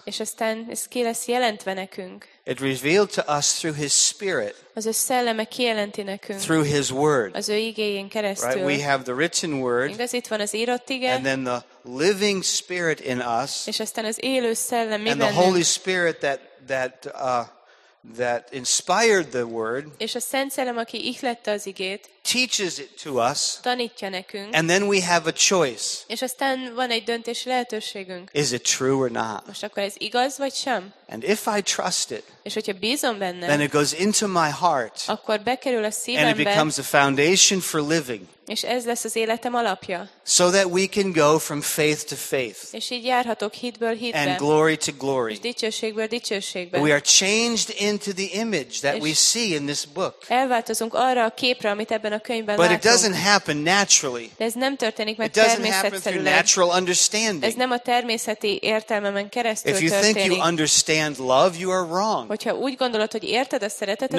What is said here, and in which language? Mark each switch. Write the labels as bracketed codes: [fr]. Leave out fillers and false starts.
[hu] És aztán ez ki lesz jelentve nekünk. [en] It revealed to us through His Spirit. [hu] Az ő szelleme kijelenti nekünk. [en] Through His Word. [hu] Az ő igéjén keresztül. [en] Right? We have the written Word. [hu] Igaz, itt van az írott ige. [en] And then the living Spirit in us. [hu] És aztán az élő szellem mi bennünk. [en] And the Holy Spirit that inspired the Word. [hu] És a Szent Szellem, aki ihlette az igét. [en] Teaches it to us. [hu] Tanítja nekünk. [en] And then we have a choice. [hu] És aztán van egy döntési lehetőségünk. [en] Is it true or not? [hu] Most akkor ez igaz vagy sem? [en] And if I trust it. [hu] És hogyha bízom benne. [en] Then it goes into my heart. [hu] Akkor bekerül a szívembe. [en] And it becomes a foundation for living. [hu] És ez lesz az életem alapja. [en] So that we can go from faith to faith. [hu] És így járhatok hitből hitbe. [en] And glory to glory. [hu] És dicsőségből dicsőségbe. [en] We are changed into the image that we see in this book. [hu] Elváltozunk arra a képre, amit ebben a könyvben látunk. [en] But it doesn't happen naturally. [hu] De ez nem történik meg természetszerűen. Ez nem a természeti értelmemen keresztül [en] If you [hu] történik. [en] Think you understand love, you are wrong. [hu] Hogyha úgy gondolod, hogy érted a szeretetet,